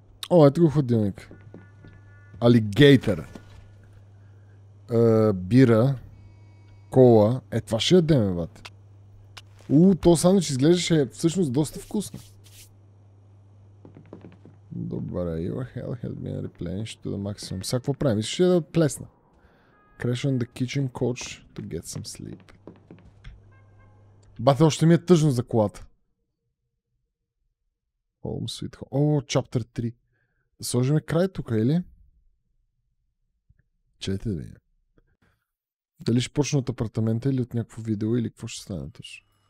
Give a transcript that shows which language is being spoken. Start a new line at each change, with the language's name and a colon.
Bulgarian: О, ето го ходилник. Алигейтър. Бира. Кола. Е, това ще ядем, бате. Уу, то сандвич изглеждаше всъщност доста вкусно.
English: Добре, your health has been replenished to the maximum.
Bulgarian: Сега какво правим? Ще я да плесна.
English: Crash on the kitchen couch to get some sleep.
Bulgarian: Бате, още ми е тъжно за колата.
English: Home sweet home.
Bulgarian: О, chapter 3. Да сложим край тук, или? Чете да видим. Дали ще почна от апартамента или от някакво видео, или какво ще стане точно?